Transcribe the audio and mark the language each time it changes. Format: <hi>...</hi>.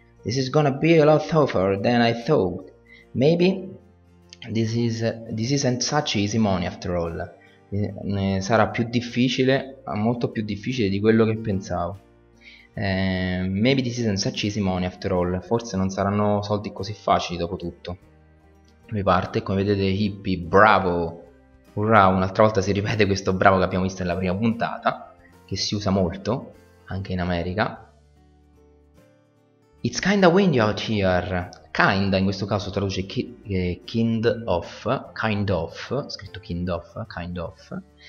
<en>This is gonna be a lot tougher than I thought. Maybe this isn't such easy money after all.</en> <it>Sarà più difficile, molto più difficile di quello che pensavo.</it> <en>Maybe this isn't such easy money after all.</en> <it>Forse non saranno soldi così facili dopo tutto. Mi parte, come vedete, hippie, bravo! Urrà, un'altra volta si ripete questo bravo che abbiamo visto nella prima puntata, che si usa molto anche in America.</it> <en>It's kinda windy out here. Kinda</en> <it>in questo caso traduce</it> <en>kind of, scritto kind of.</en>